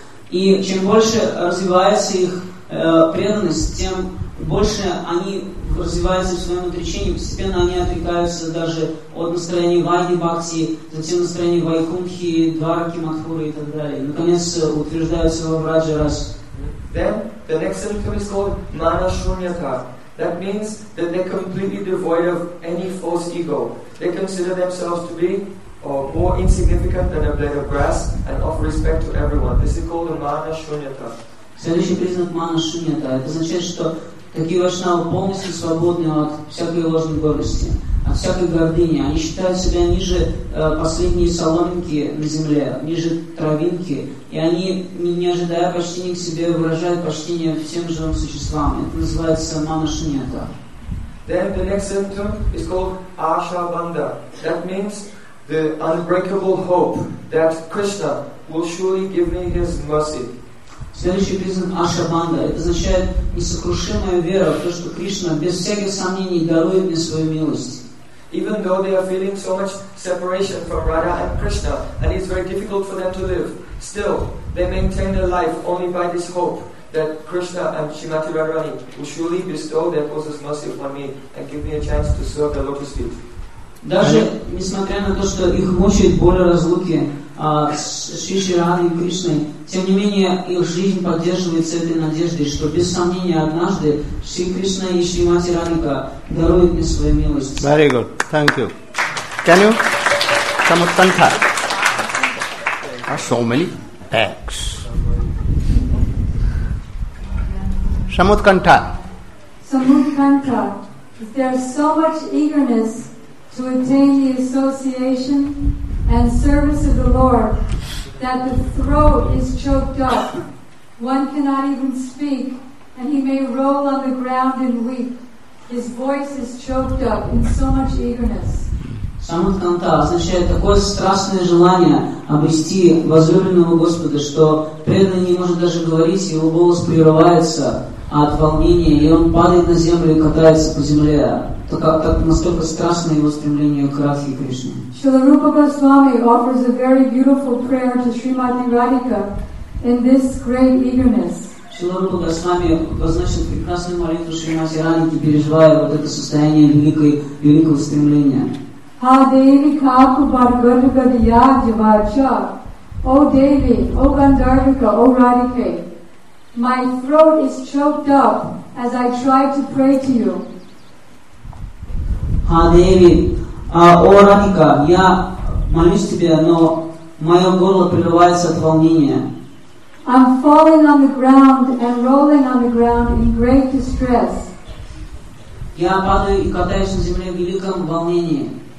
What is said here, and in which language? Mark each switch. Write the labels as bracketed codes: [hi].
[ru] И чем больше развивается их преданность, тем больше они развиваются в своем отречении, постепенно они отрекаются даже от настроения Вайни Бхакти, затем настроения Вайкунхи, Двараки, Матхуры и так далее. И, наконец, утверждают своего Враджа раз. [en] Then, the next symptom is called Mana Shunyata. That means that they're completely devoid of any false ego. They consider themselves to be more insignificant than a blade of grass and offer respect to everyone. This is called the Mana Shunyata. [ru] Следующий признак Мана Шуньята. Это означает, что такие вайшнавы полностью свободны от всякой ложной гордости, от всякой гордыни. Они считают себя ниже последней соломинки на земле, ниже травинки. И они, не ожидая почтения к себе, выражают почтение всем живым существам. Это называется Мана Шуньята. [en] Then the next symptom is called Asha Bandha. That means the unbreakable hope that Krishna will surely give me his mercy. [ru] Следующий признак Ашабанда. Это означает несокрушимая вера в то, что Кришна без всяких сомнений дарует мне свою милость. [en] Even though they are feeling so much separation from Radha and Krishna, and it's very difficult for them to live, still they maintain their life only by this hope that Krishna and Shrimati Radharani will surely bestow their closest mercy upon me and give me a chance to serve the lotus feet. [ru] Даже несмотря на то, что их мучает боль разлуки Шри Радхи и Кришны, тем не менее их жизнь поддерживается этой надеждой, что без сомнения однажды Шри Кришна и Шри Мати Радхика даруют мне свою милость. [en] Very good. Thank you. Can you? Samutkantha. So many thanks. Samudkantha. Samudkantha. If there is so much eagerness to attain the association and service of the Lord that the throat is choked up, one cannot even speak, and he may roll on the ground and weep. His voice is choked up in so much eagerness. [ru] Самудканта означает такое страстное желание обрести возлюбленного Господа, что преданный не может даже говорить, его голос прерывается от волнения, и он падает на землю и катается по земле. Так настолько страстно его стремление к Радхе Кришне. [en] Шрила Рупа Госвами offers a very beautiful prayer to Шримати Радхика in this great eagerness. [ru] Шрила Рупа Госвами обозначил прекрасную молитву Шримати Радхике, переживая вот это состояние великого стремления. [sa] Ha Devi Kaku Bhargarga Diya Javacha. [en] O Devi, O Gandharvika, O Radhike. My throat is choked up as I try to pray to you. [ru] Ha Devi, O Radhika, я молюсь тебе, но мое горло прерывается от волнения. [en] I'm falling on the ground and rolling on the ground in great distress. [ru] Я падаю и катаюсь на земле в великом волнении.